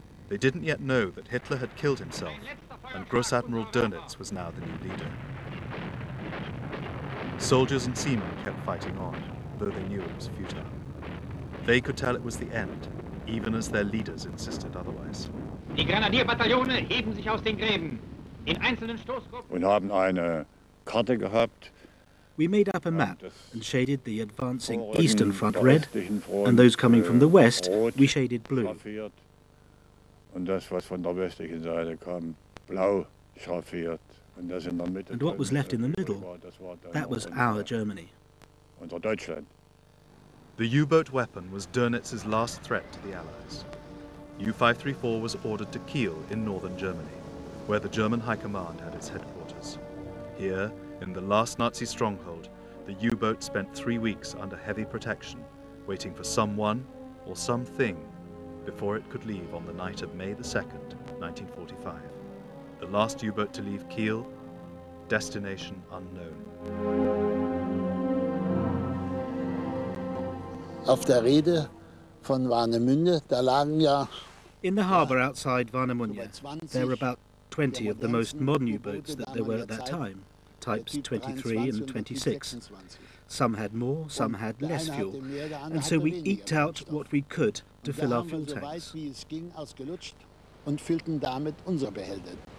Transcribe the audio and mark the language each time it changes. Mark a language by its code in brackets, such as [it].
[en] They didn't yet know that Hitler had killed himself, and Grossadmiral Dönitz was now the new leader. Soldiers and seamen kept fighting on, though they knew it was futile. They could tell it was the end, even as their leaders insisted otherwise. [de] Die Grenadierbataillone heben sich aus den Gräben in einzelnen Stoßgruppen. Wir haben eine Karte gehabt. [en] We made up a map and shaded the advancing eastern front red, and those coming from the west we shaded blue. [de] Und das, was von der westlichen Seite kam, blau schraffiert. [en] And what was left in the middle, that was our Germany. The U-boat weapon was Dönitz's last threat to the Allies. U-534 was ordered to Kiel in northern Germany, where the German High Command had its headquarters. Here, in the last Nazi stronghold, the U-boat spent 3 weeks under heavy protection, waiting for someone or something before it could leave on the night of May the 2nd, 1945. The last U-boat to leave Kiel, destination unknown. [de] Auf der Reede von Warnemünde, da lagen ja. [en] In the harbour outside Warnemünde, there were about 20 of the most modern U-boats that there were at that time, types 23 and 26. Some had more, some had less fuel, and so we eked out what we could to fill our fuel tanks. [de] Wie es ging, ausgelutscht und füllten damit unsere Behälter.